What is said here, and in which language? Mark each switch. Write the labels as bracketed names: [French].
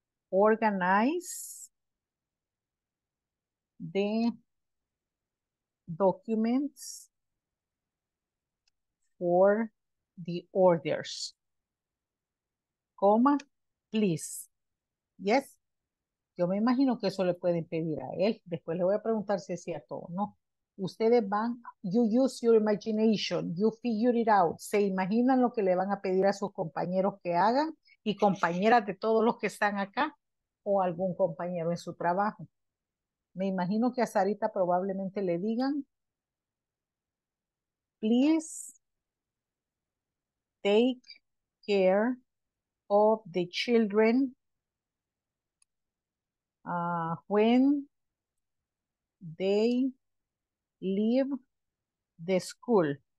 [English] Organize the documents for the orders, comma, please. Yes, [Spanish] yo me imagino que eso le pueden pedir a él. Después le voy a preguntar si es cierto o no. Ustedes van, [English] you use your imagination, you figure it out. [Spanish] Se imaginan lo que le van a pedir a sus compañeros que hagan y compañeras de todos los que están acá o algún compañero en su trabajo. Me imagino que a Sarita probablemente le digan, [English] please take care of the children when they leave the school.